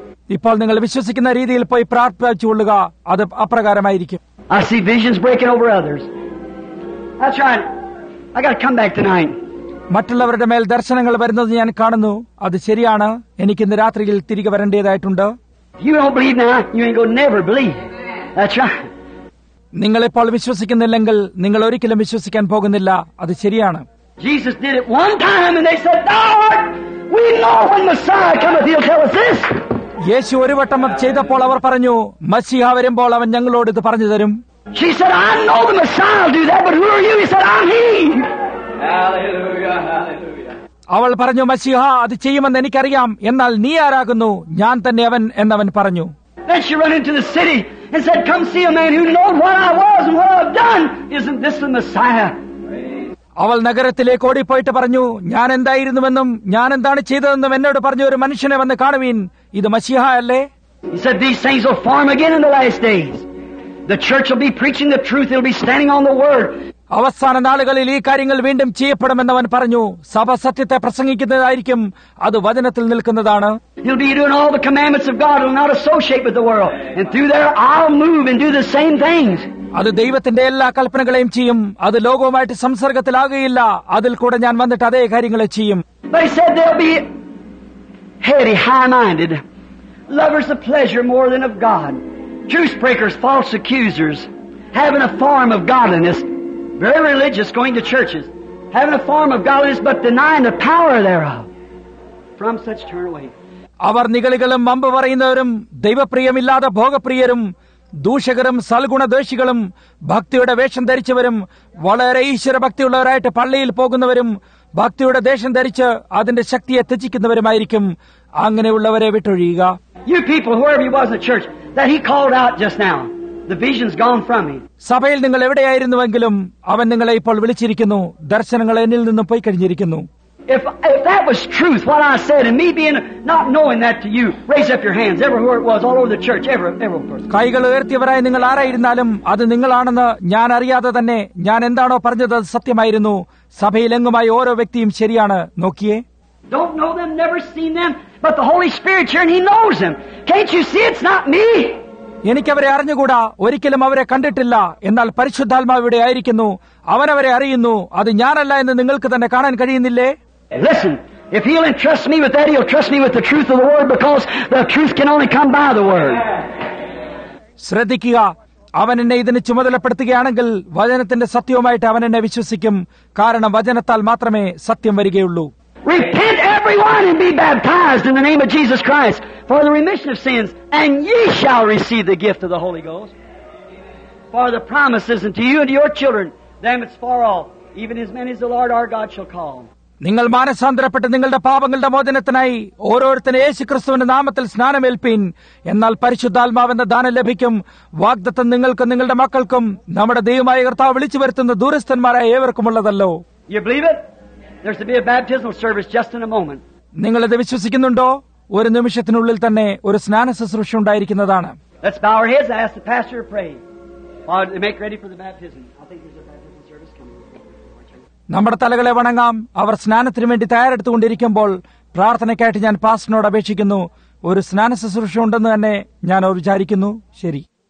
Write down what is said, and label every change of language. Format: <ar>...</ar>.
<ml>ഇപ്പോൾ നിങ്ങൾ വിശ്വസിക്കുന്ന രീതിയിൽ പോയി പ്രാർത്ഥിച്ചുകൊള്ളുക. അത് അപ്രകാരമായിരിക്കും.</ml> <en>I see visions breaking over others. That's right. I got to come back tonight.</en> <ml>മറ്റുള്ളവരുടെ മേൽ ദർശനങ്ങൾ വരുന്നത് ഞാൻ കാണുന്നു. അത് ശരിയാണ്. എനിക്ക് ഇന്ന് രാത്രിയിൽ തിരികെ വരേണ്ടതായിട്ടുണ്ട്.</ml> <en>You don't believe now, you ain't gonna never believe. That's right.</en> <ml>നിങ്ങൾ ഇപ്പോൾ വിശ്വസിക്കുന്നില്ലെങ്കിൽ നിങ്ങൾ ഒരിക്കലും വിശ്വസിക്കാൻ പോകുന്നില്ല. അത് ശരിയാണ്.</ml> <en>Jesus did it one time and they said, "Lord, we know when Messiah comes, he'll tell us this."</en> <ml>യേശു ഒരു വട്ടം ചെയ്തപ്പോൾ അവർ പറഞ്ഞു, മസീഹ വരുമ്പോൾ അവൻ ഞങ്ങളോട് ഇത് പറഞ്ഞു തരും.</ml> <en>She said, I know the Messiah will do that, but who are you? He said, I'm he. Hallelujah, hallelujah.</en> <ml>അവൾ പറഞ്ഞു, മസീഹ അത് ചെയ്യുമെന്ന് എനിക്കറിയാം, എന്നാൽ നീ ആരാകുന്നു? ഞാൻ തന്നെ അവൻ എന്നവൻ പറഞ്ഞു.</ml> <en>Then she ran into the city and said, come see a man who knows what I was and what I've done. Isn't this the Messiah?</en> <ml>അവൾ നഗരത്തിലേക്ക് ഓടിപ്പോയിട്ട് പറഞ്ഞു, ഞാൻ എന്തായിരുന്നുവെന്നും ഞാൻ എന്താണ് ചെയ്തതെന്നും എന്നോട് പറഞ്ഞ ഒരു മനുഷ്യനെ വന്ന് കാണുവീൻ, ഇത് മസീഹ അല്ലേ?</ml> <en>He said, these things will form again in the last days. The church will be preaching the truth. It'll be standing on the word.</en> <ml>അവസാന നാളുകളിൽ ഈ കാര്യങ്ങൾ വീണ്ടും ചെയ്യപ്പെടുമെന്ന് അവൻ പറഞ്ഞു. സഭ സത്യത്തെ പ്രസംഗിക്കുന്നതായിരിക്കും, അത് വചനത്തിൽ നിൽക്കുന്നതാണ്.</ml> <en>He'll be doing all the commandments of God. He'll not associate with the world. And through there, I'll move and do the same things.</en> <ml>അത് ദൈവത്തിന്റെ എല്ലാ കൽപ്പനകളെയും ചെയ്യും. അത് ലോകവുമായിട്ട് സംസർഗത്തിലാകുകയില്ല. അതിൽ കൂടെ ഞാൻ വന്നിട്ട് അതേ കാര്യങ്ങളെ ചെയ്യും.</ml> <en>They said they'll be hairy, high-minded, lovers of pleasure more than of God, truth breakers, false accusers, having a form of godliness, very religious, going to churches, having a form of godliness but denying the power thereof. From such turn away.</en> <ml>അവർ നിഗളികളും മമ്പ പറയുന്നവരും ദൈവപ്രിയമില്ലാതെ ഭോഗപ്രിയരും ദൂഷകരും സൽഗുണദ്വേഷികളും ഭക്തിയുടെ വേഷം ധരിച്ചവരും വളരെ ഈശ്വരഭക്തിയുള്ളവരായിട്ട് പള്ളിയിൽ പോകുന്നവരും ഭക്തിയുടെ ദേഷം ധരിച്ച് അതിന്റെ ശക്തിയെ തെറ്റിക്കുന്നവരുമായിരിക്കും. അങ്ങനെയുള്ളവരെ വിട്ടൊഴിയുക.</ml> <en>You people, whoever you was in the church that he called out just now, the vision's gone from me.</en> <ml>സഭയിൽ നിങ്ങൾ എവിടെയായിരുന്നുവെങ്കിലും അവൻ നിങ്ങളെ ഇപ്പോൾ വിളിച്ചിരിക്കുന്നു. ദർശനങ്ങൾ എന്നിൽ നിന്നും പോയി കഴിഞ്ഞിരിക്കുന്നു.</ml> <en>If that was truth, what I said, and me being not knowing that to you, raise up your hands, everywhere it was, all over the church, every person.</en> <ml>കൈകള് ഉയർത്തിയവരായി നിങ്ങൾ ആരായിരുന്നാലും അത് നിങ്ങളാണെന്ന് ഞാൻ അറിയാതെ തന്നെ ഞാൻ എന്താണോ പറഞ്ഞത് അത് സത്യമായിരുന്നു. സഭയിലെങ്ങുമായി ഓരോ വ്യക്തിയും ശരിയാണ്. നോക്കിയേ.</ml> <en>Don't know them, never seen them, But the Holy Spirit's here and He knows them. Can't you see it's not me?</en> <ml>എനിക്കവരെ അറിഞ്ഞുകൂടാ, ഒരിക്കലും അവരെ കണ്ടിട്ടില്ല. എന്നാൽ പരിശുദ്ധാത്മാവ് ഇവിടെ ആയിരിക്കുന്നു, അവനവരെ അറിയുന്നു. അത് ഞാനല്ല എന്ന് നിങ്ങൾക്ക് തന്നെ കാണാൻ കഴിയുന്നില്ലേ?</ml> <en>Listen, if he'll entrust me with that, he'll trust me with the truth of the word, because the truth can only come by the word.</en> <ml>ശ്രദ്ധിക്കുക, അവൻ എന്നെ ഇതിന് ചുമതലപ്പെടുത്തുകയാണെങ്കിൽ വചനത്തിന്റെ സത്യവുമായിട്ട് അവൻ എന്നെ വിശ്വസിക്കും. കാരണം വചനത്താൽ മാത്രമേ സത്യം വരികയുള്ളൂ.</ml> <en>Repent everyone and be baptized in the name of Jesus Christ for the remission of sins, and ye shall receive the gift of the Holy Ghost. For the promise is unto you and to your children, them that's far off, even as many as the Lord our God shall call.</en> <ml>നിങ്ങൾ മാനസാന്തരപ്പെട്ട് നിങ്ങളുടെ പാപങ്ങളുടെ മോചനത്തിനായി ഓരോരുത്തരെ യേശുക്രിസ്തുവിന്റെ നാമത്തിൽ സ്നാനമേൽപ്പീൻ. എന്നാൽ പരിശുദ്ധാത്മാവിന്റെ ദാനം ലഭിക്കും. വാഗ്ദത്തം നിങ്ങൾക്കും നിങ്ങളുടെ മക്കൾക്കും നമ്മുടെ ദൈവമായ കർത്താവ് വിളിച്ചു വരുത്തുന്ന ദൂരസ്ഥന്മാരായ ഏവർക്കും ഉള്ളതല്ലോ.</ml> <en>There's to be a baptismal service just in a moment.</en> <ml>നിങ്ങളെ വിശ്വസിക്കുന്നുണ്ടോ? ഒരു നിമിഷത്തിനുള്ളിൽ തന്നെ ഒരു സ്നാന ശുശ്രൂഷ ഉണ്ടായിരിക്കുന്നതാണ്.</ml> <en>Let's bow our heads and ask the pastor to pray. Father, to make ready for the baptism. I think there's a baptismal service coming.</en> <ml>നമ്മുടെ തലകളെ വണങ്ങാം. അവർ സ്നാനത്തിന് വേണ്ടി തയ്യാറെടുത്തുകൊണ്ടിരിക്കുമ്പോൾ പ്രാർത്ഥനയ്ക്കായിട്ട് ഞാൻ പാസ്റ്ററിനോട് അപേക്ഷിക്കുന്നു. ഒരു സ്നാന ശുശ്രൂഷ ഉണ്ടെന്ന് തന്നെ ഞാൻ വിചാരിക്കുന്നു. ശരി.</ml>